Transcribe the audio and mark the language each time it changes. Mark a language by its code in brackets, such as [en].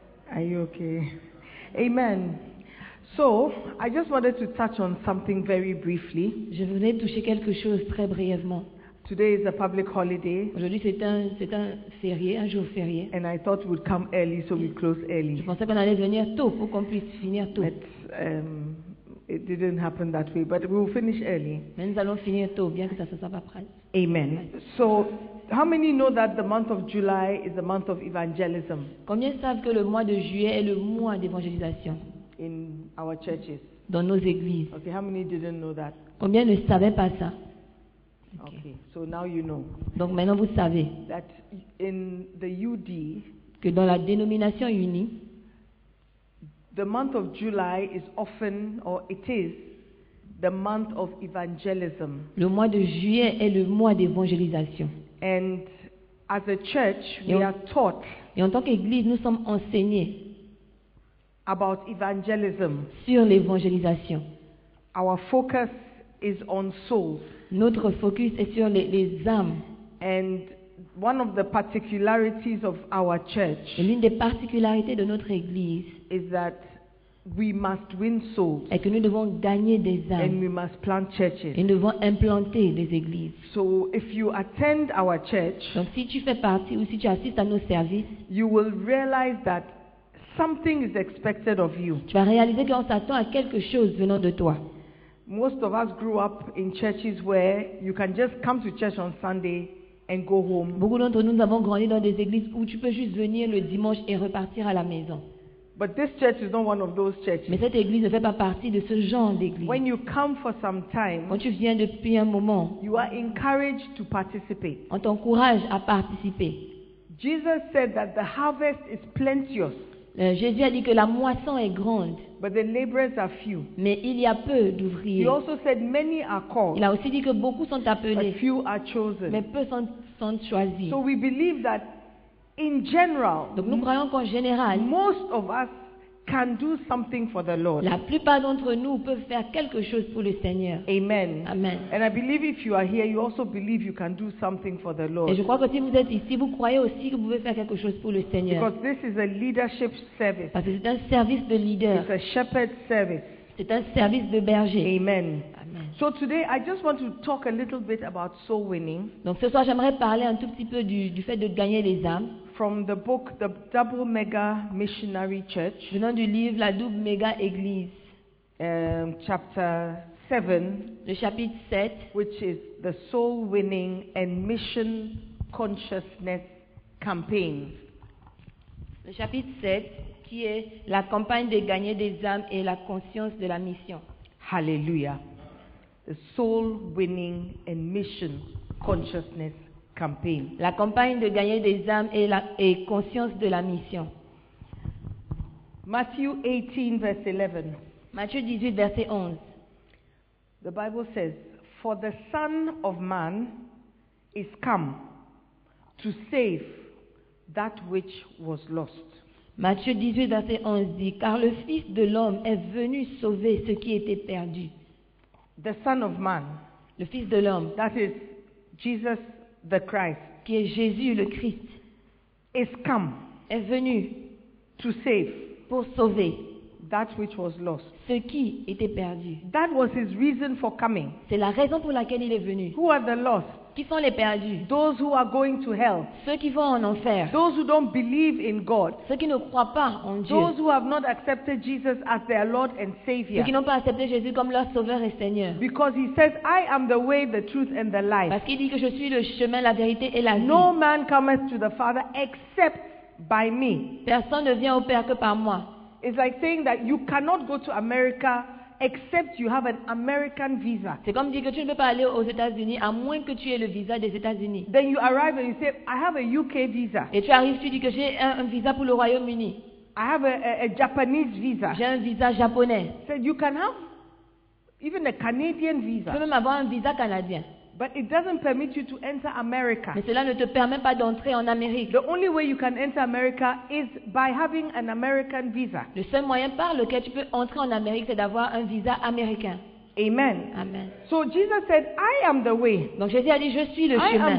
[en] Are you okay? Amen. So, I just wanted to touch on something very briefly. [fr] Je voulais toucher quelque chose très brièvement. [en] Today is a public holiday. [fr] Aujourd'hui c'est un férié, un jour férié. [en] And I thought we'd come early, so we close early. [fr] Je pensais qu'on allait venir tôt pour qu'on puisse finir tôt. [en] But it didn't happen that way, but we will finish early. [fr] Mais nous allons finir tôt, bien que ça se soit pas. [en] Amen. So, how many know that the month of July is the month of evangelism? [fr] Combien savent que le mois de juillet est le mois d'évangélisation? [en] In our churches. [fr] Dans nos églises. [en] Okay, how many didn't know that? [fr] Combien ne savaient pas ça? [en] Okay, so now you know. [fr] Donc maintenant vous savez. [en] That in the UD, [fr] que dans la dénomination UNI, [en] the month of July is often, or it is, the month of evangelism. [fr] Le mois de juillet est le mois d'évangélisation. [en] And as a church, we are taught. [fr] Et en tant qu'église, nous sommes enseignés. [en] About evangelism. [fr] Sur l'évangélisation. [en] Our focus is on souls. [fr] Notre focus est sur les âmes. [en] And one of the particularities of our church. [fr] Et l'une des particularités de notre église. [en] Is that we must win souls. [fr] Et que nous devons gagner des âmes. [en] And we must plant churches. [fr] Et nous devons implanter des églises. [en] So if you attend our church. [fr] Donc si tu fais partie ou si tu assistes à nos services. [en] You will realize that something is expected of you. [fr] Tu vas réaliser qu'on s'attend à quelque chose venant de toi. [en] Most of us grew up in churches where you can just come to church on Sunday and go home. [fr] Beaucoup d'entre nous avons grandi dans des églises où tu peux juste venir le dimanche et repartir à la maison. [en] But this church is not one of those churches. [fr] Mais cette église ne fait pas partie de ce genre d'église. [en] When you come for some time, [fr] quand tu viens depuis un moment, [en] you are encouraged to participate. [fr] On t'encourage à participer. [en] Jesus said that the harvest is plenteous. [fr] Jésus a dit que la moisson est grande. [en] But the laborers are few. [fr] Mais il y a peu d'ouvriers. [en] He also said many are called. [fr] Il a aussi dit que beaucoup sont appelés. [en] But few are chosen. [fr] Mais peu sont choisis. [en] So we believe that in general, [fr] donc nous croyons qu'en général, [en] most of us can do something for the Lord. [fr] La plupart d'entre nous peuvent faire quelque chose pour le Seigneur. [en] Amen. [fr] Amen. [en] And I believe if you are here, you also believe you can do something for the Lord. [fr] Et je crois que si vous êtes ici, vous croyez aussi que vous pouvez faire quelque chose pour le Seigneur. [en] Because this is a leadership service. [fr] Parce que c'est un service de leader. [en] It's a shepherd service. [fr] C'est un service de berger. [en] Amen. [fr] Amen. [en] So today I just want to talk a little bit about soul winning. [fr] Donc ce soir j'aimerais parler un tout petit peu du fait de gagner les âmes. [en] From the book, The Double Mega Missionary Church. [fr] Venant du livre, La Double Mega Église. [en] Chapter 7. [fr] Le chapitre 7. [en] Which is the Soul Winning and Mission Consciousness Campaign. [fr] Le chapitre 7. qui est la campagne de gagner des âmes et la conscience de la mission. [en] Hallelujah. The soul winning and mission consciousness campaign. [fr] La campagne de gagner des âmes et la et conscience de la mission. [en] Matthew 18 verse 11. [fr] Matthieu 18 verset 11. [en] The Bible says, "For the Son of Man is come to save that which was lost." [fr] Matthieu 18 verset 11 dit, "Car le Fils de l'homme est venu sauver ce qui était perdu." [en] The Son of Man. [fr] Le Fils de l'homme. [en] That is Jesus the Christ. [fr] Qui est Jésus le Christ. [en] Is come. [fr] Est venu. [en] To save. [fr] Pour sauver. [en] That which was lost. [fr] Ce qui était perdu. [en] That was his reason for coming. [fr] C'est la raison pour laquelle il est venu. [en] Who are the lost? [fr] Qui sont les perdus? [en] Those who are going to hell. [fr] Ceux qui vont en enfer. [en] Those who don't believe in God. [fr] Ceux qui ne croient pas en Dieu. [en] Those who have not accepted Jesus as their Lord and Savior. [fr] Ceux qui n'ont pas accepté Jésus comme leur Sauveur et Seigneur. [en] Because he says, "I am the way, the truth, and the life." [fr] Parce qu'il dit que je suis le chemin, la vérité et la vie. [en] No man cometh to the Father except by me. [fr] Personne ne vient au Père que par moi. [en] It's like saying that you cannot go to America except you have an American visa. [fr] C'est comme dire que tu ne peux pas aller aux États-Unis à moins que tu aies le visa des États-Unis. [en] Then you arrive and you say, "I have a UK visa." [fr] Et tu arrives, tu dis que j'ai un visa pour le Royaume-Uni. [en] I have a Japanese visa. [fr] J'ai un visa japonais. [en] So you can have even a Canadian visa. [fr] Tu peux même avoir un visa canadien. [en] But it doesn't permit you to enter America. [fr] Mais cela ne te permet pas d'entrer en Amérique. [en] The only way you can enter America is by having an American visa. [fr] Le seul moyen par lequel tu peux entrer en Amérique, c'est d'avoir un visa américain. [en] Amen. [fr] Amen. [en] So Jesus said, "I am the way." [fr] Donc Jésus a dit, je suis le chemin.